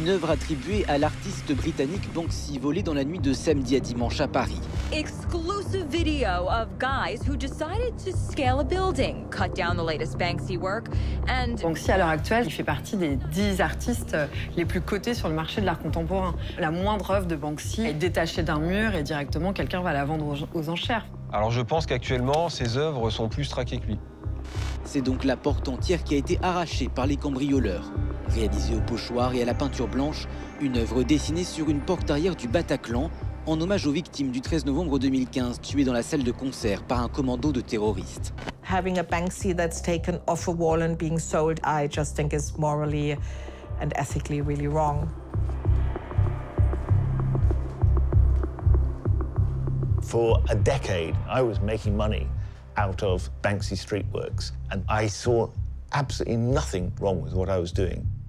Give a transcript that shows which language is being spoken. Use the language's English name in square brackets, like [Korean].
[French] une œuvre attribuée à l'artiste britannique Banksy volée dans la nuit de samedi à dimanche à Paris. [English] Exclusive video of guys who decided to scale a building, cut down the latest Banksy work and [French] Banksy à l'heure actuelle, il fait partie des 10 artistes les plus cotés sur le marché de l'art contemporain. La moindre œuvre de Banksy est détachée d'un mur et directement quelqu'un va la vendre aux enchères. Alors je pense qu'actuellement, ses œuvres sont plus traquées que lui. C'est donc la porte entière qui a été arrachée par les cambrioleurs. Réalisée au pochoir et à la peinture blanche, une œuvre dessinée sur une porte arrière du Bataclan, en hommage aux victimes du 13 novembre 2015, tuées dans la salle de concert par un commando de terroristes. [English] Having a Banksy that's taken off a wall and being sold, I just think is morally and ethically really wrong. For a decade, I was making money out of Banksy street works, and I saw absolutely nothing wrong with what I was doing.